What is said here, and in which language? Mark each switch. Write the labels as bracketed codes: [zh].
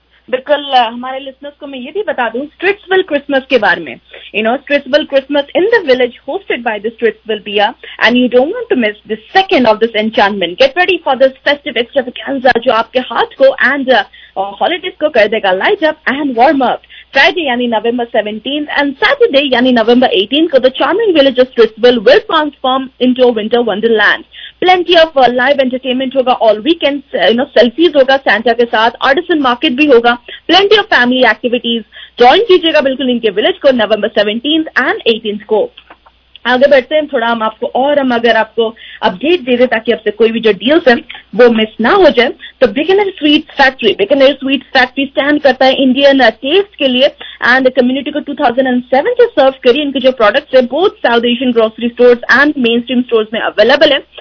[hi] बिल्कुल, हमारे लिसनर्स को मैं ये भी बता दूं स्ट्रिट्सविल क्रिसमस के बारे में. [en] You know Streetsville Christmas in the village hosted by the Streetsville BIA and you don't want to miss the second of this enchantment. Get ready for this festive extravaganza जो आपके हाथ को and holidays को कर देगा light up and warm up. Friday, yani November 17th, and Saturday, yani November 18th, so the charming village of Stritsville will transform into a winter wonderland. Plenty of live entertainment hoga all weekends, you know, selfies hoga Santa ke saath, artisan market bhi hoga, plenty of family activities. [hi] Join kijiyega bilkul inke village ko November 17th and 18th ko. आगे बढ़ते हैं थोड़ा हम आपको और हम अगर आपको अपडेट दे दें ताकि आपसे कोई भी जो डील्स है वो मिस ना हो जाए. तो बिकनेर स्वीट्स फैक्ट्री स्टैंड करता है इंडियन टेस्ट के लिए एंड कम्युनिटी को 2007 से सर्व करी. इनके जो प्रोडक्ट्स है both south Asian grocery stores and main stream stores में अवेलेबल है.